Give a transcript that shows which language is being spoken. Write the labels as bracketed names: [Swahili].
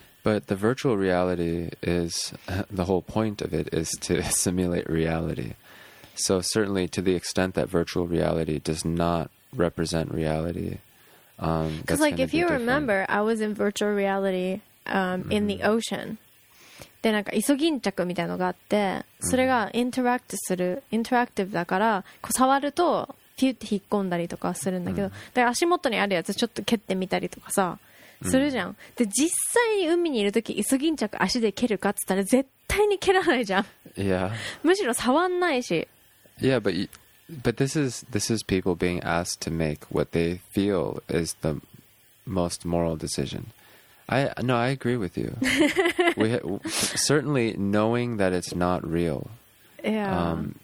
[English] But the virtual reality is, the whole point of it is to simulate reality. So certainly to the extent that virtual reality does not represent reality, because like if you different. Remember, I was in virtual reality in the ocean. [Japanese] でなんか急ぎん着みたいのがあって、それがインタラクトする、インタラクティブだから、こう触るとピュッて引っ込んだりとかするんだけど、で足元にあるやつちょっと蹴ってみたりとかさ、するじゃん。で実際に海にいるとき急ぎん着足で蹴るかっつったら絶対に蹴らないじゃん。 [English] Yeah. [Japanese] むしろ触んないし。 [English] Yeah, but this is people being asked to make what they feel is the most moral decision. I agree with you. certainly knowing that it's not real, yeah.